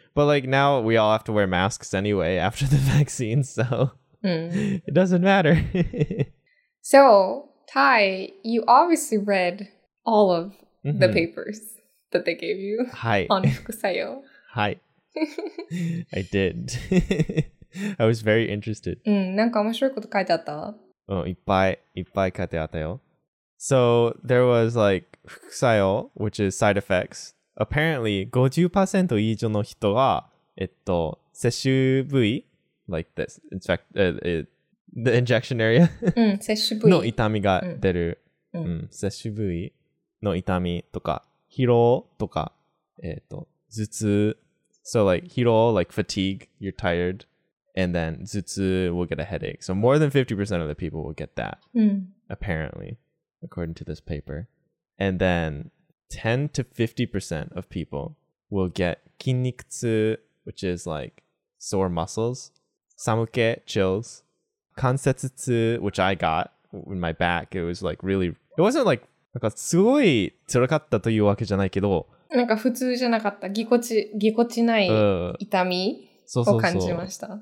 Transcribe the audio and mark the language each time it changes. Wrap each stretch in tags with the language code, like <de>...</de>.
<en>But like now we all have to wear masks anyway after the vaccine, so it doesn't matter. So, Ty, you obviously read all of the papers that they gave you on Fukusayo. Hi. I did. I was very interested.</en> <ja>なんか面白いこと書いてあった? いっぱい書いてあったよ。</ja> <en>So, there was like Fukusayo, which is side effects. Apparently, 50%</en> <ja>以上の人が接種部位</ja> <en>like this, in fact, the injection area</en> <ja>接種部位の痛みが出る、接種部位の痛みとか疲労とか頭痛</ja> <en>so like 疲労 like fatigue, you're tired, and then 頭痛 will get a headache. So more than 50% of the people will get that, apparently, according to this paper. And then 10 to 50% of people will get 筋肉痛 which is like sore muscles, 寒気 chills,関節痛 which I got in my back. It was like really, it wasn't like</en> <ja>なんかすごい辛かったというわけじゃないけど、なんか普通じゃなかった、ぎこちない痛みを感じました。</ja>